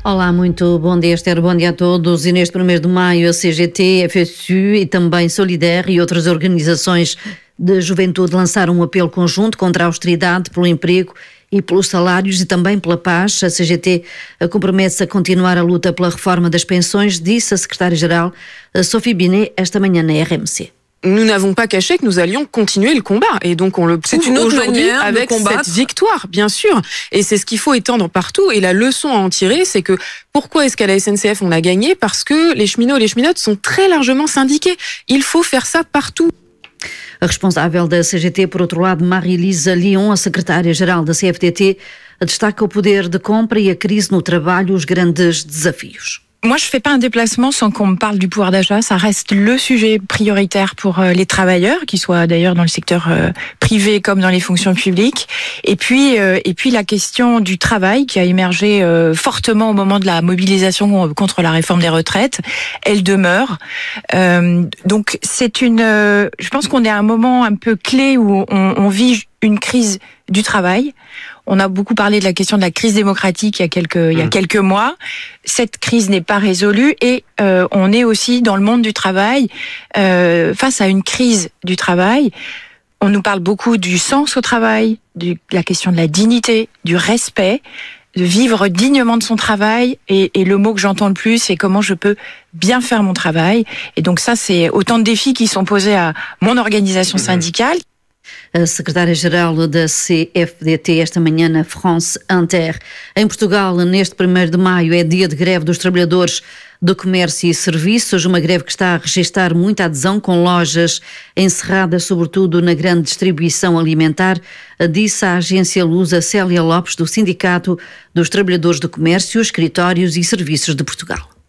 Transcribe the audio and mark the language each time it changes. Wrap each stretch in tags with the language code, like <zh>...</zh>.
<pt>Olá, muito bom dia, Esther, bom dia a todos. E neste primeiro de maio, a CGT, FSU e também Solidaire e outras organizações de juventude lançaram um apelo conjunto contra a austeridade pelo emprego e pelos salários e também pela paz. A CGT compromete-se a continuar a luta pela reforma das pensões, disse a secretária-geral Sophie Binet esta manhã na RMC.</pt> <fr>Nous n'avons pas caché que nous allions continuer le combat. Et donc, on le prouve aujourd'hui avec cette victoire, bien sûr. Et c'est ce qu'il faut étendre partout. Et la leçon à en tirer, c'est que pourquoi est-ce qu'à la SNCF, on a gagné? Parce que les cheminots et les cheminotes sont très largement syndiqués. Il faut faire ça partout.</fr> <pt>A responsável da CGT, por outro lado, Marie-Lise Lyon, a secretária-geral da CFTT, destaca o poder de compra e a crise no trabalho, os grandes desafios.</pt> <fr>Moi, je fais pas un déplacement sans qu'on me parle du pouvoir d'achat. Ça reste le sujet prioritaire pour les travailleurs, qu'ils soient d'ailleurs dans le secteur privé comme dans les fonctions publiques. Et puis la question du travail qui a émergé fortement au moment de la mobilisation contre la réforme des retraites, elle demeure. Donc c'est je pense qu'on est à un moment un peu clé où on vit une crise du travail. On a beaucoup parlé de la question de la crise démocratique il y a quelques mois. Cette crise n'est pas résolue et on est aussi dans le monde du travail face à une crise du travail. On nous parle beaucoup du sens au travail, de la question de la dignité, du respect, de vivre dignement de son travail. Et le mot que j'entends le plus, c'est comment je peux bien faire mon travail. Et donc ça, c'est autant de défis qui sont posés à mon organisation syndicale.</fr> <pt>A secretária-geral da CFDT esta manhã na France Inter. Em Portugal, neste 1º de maio, é dia de greve dos trabalhadores do comércio e serviços, uma greve que está a registar muita adesão, com lojas encerradas, sobretudo na grande distribuição alimentar, disse a agência Lusa Célia Lopes, do Sindicato dos Trabalhadores do Comércio, Escritórios e Serviços de Portugal.</pt>